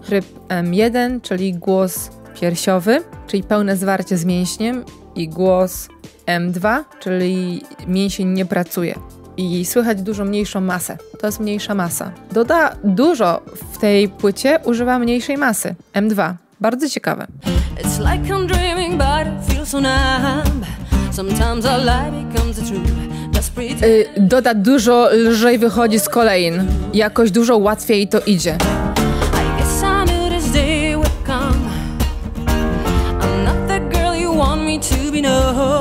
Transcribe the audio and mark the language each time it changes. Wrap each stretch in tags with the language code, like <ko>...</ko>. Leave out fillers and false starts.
<pl>Tryb M1, czyli głos piersiowy, czyli pełne zwarcie z mięśniem, i głos M2, czyli mięsień nie pracuje. I słychać dużo mniejszą masę. To jest mniejsza masa. Doda dużo w tej płycie używa mniejszej masy, M2. Bardzo ciekawe.</pl> <en>It's like I'm dreaming, but I feel so numb. Sometimes our life becomes a dream.</en> <pl>Doda dużo lżej wychodzi z kolein. Jakoś dużo łatwiej to idzie.</pl> <en>I guess I knew this day would come. I'm not the girl you want me to be, no.</en>